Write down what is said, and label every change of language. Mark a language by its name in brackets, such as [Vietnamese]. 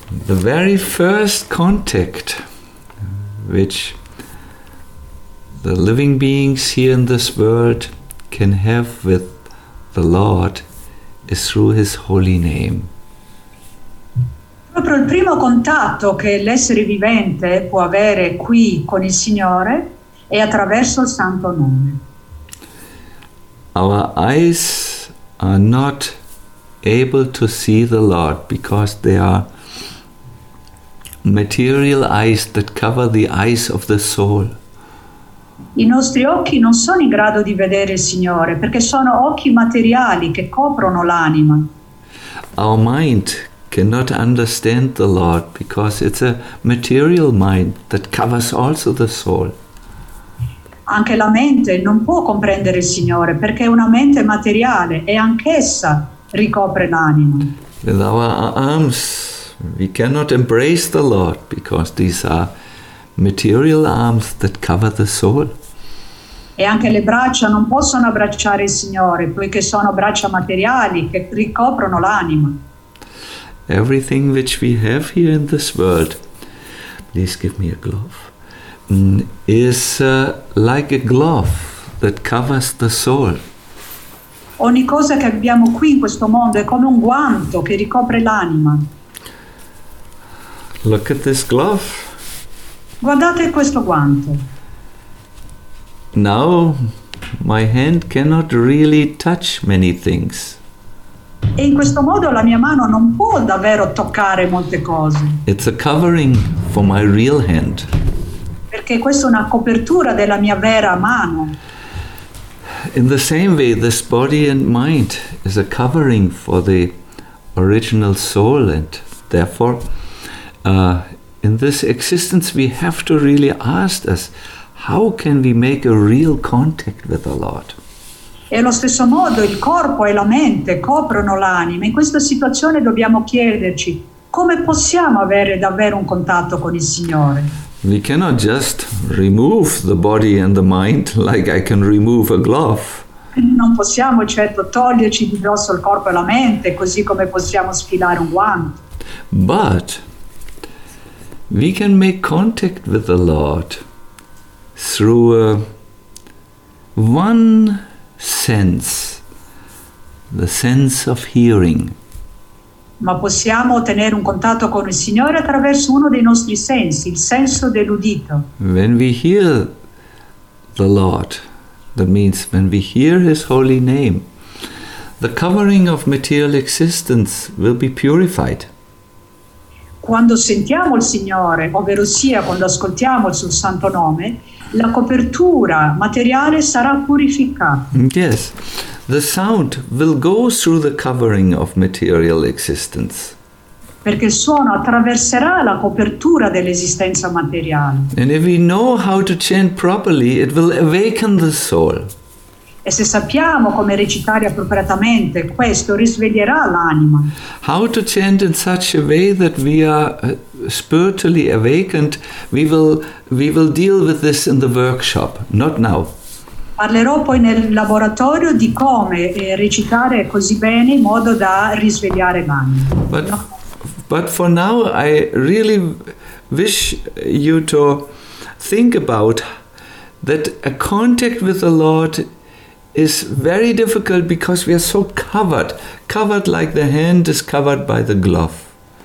[English] The very first contact which the living beings here in this world can have with the Lord is through His holy name. [Italian] Proprio il primo contatto che l'essere vivente può avere qui con il Signore è attraverso il Santo Nome. [English] Our eyes are not able to see the Lord because they are material eyes that cover the eyes of the soul. [Italian] I nostri occhi non sono in grado di vedere il Signore perché sono occhi materiali che coprono l'anima. [English] Our mind cannot understand the Lord because it's a material mind that covers also the soul. [Italian] Anche la mente non può comprendere il Signore perché è una mente materiale e anch'essa ricopre l'anima. [English] With our arms we cannot embrace the Lord because these are material arms that cover the soul. [Italian] E anche le braccia non possono abbracciare il Signore poiché sono braccia materiali che ricoprono l'anima. [English] Everything which we have here in this world, please give me a glove, is like a glove that covers the soul. [Italian] Ogni cosa che abbiamo qui in questo mondo è come un guanto che ricopre l'anima. [English] Look at this glove. [Italian] Guardate questo guanto. [English] Now my hand cannot really touch many things. [Italian] E in questo modo la mia mano non può davvero toccare molte cose. [English] It's a covering for my real hand. [Italian] Perché questa è una copertura della mia vera mano. [English] In the same way, this body and mind is a covering for the original soul, and therefore, in this existence, we have to really ask us, how can we make a real contact with the Lord? [Italian] E allo stesso modo il corpo e la mente coprono l'anima. In questa situazione dobbiamo chiederci come possiamo avere davvero un contatto con il Signore. [English] We cannot just remove the body and the mind like I can remove a glove. [Italian] Non possiamo certo toglierci di dosso il corpo e la mente così come possiamo sfilare un guanto. [English] But we can make contact with the Lord through one sense, the sense of hearing. [Italian] Ma possiamo ottenere un contatto con il Signore attraverso uno dei nostri sensi, il senso dell'udito. [English] When we hear the Lord, that means when we hear His holy name, the covering of material existence will be purified. [Italian] Quando sentiamo il Signore, ovvero sia quando ascoltiamo il suo santo nome, la copertura materiale sarà purificata. [English] Yes, the sound will go through the covering of material existence. [Italian] Perché il suono attraverserà la copertura dell'esistenza materiale. [English] And if we know how to chant properly, it will awaken the soul. [Italian] E se sappiamo come recitare appropriatamente, questo risveglierà l'anima. [English] How to chant in such a way that we are spiritually awakened, we will deal with this in the workshop, not now. [Italian] Parlerò poi nel laboratorio di come recitare così bene in modo da risvegliare l'anima. [English] But for now I really wish you to think about that a contact with the Lord is very difficult because we are so covered like the hand is covered by the glove.